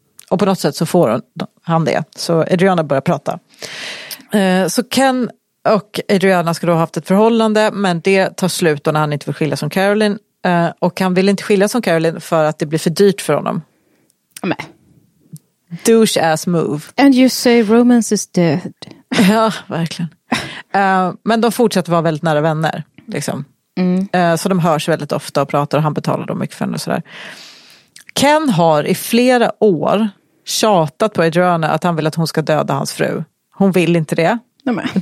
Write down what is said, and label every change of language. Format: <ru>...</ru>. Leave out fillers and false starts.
<sv>Och på något sätt så får han det. Så Adriana börjar prata. Så Ken och Adriana ska då ha haft ett förhållande, men det tar slut då när han inte vill skilja som Carolyn. Och han vill inte skilja som Carolyn för att det blir för dyrt för honom. Nej.</sv> <en>Douche ass move. And you say romance is dead.</en> <sv>Ja, verkligen. Men de fortsätter vara väldigt nära vänner. Liksom. Mm. Så de hörs väldigt ofta och pratar och han betalar dem mycket för henne och sådär. Ken har i flera år tjatat på Adriana att han vill att hon ska döda hans fru. Hon vill inte det. Nej. Men</sv>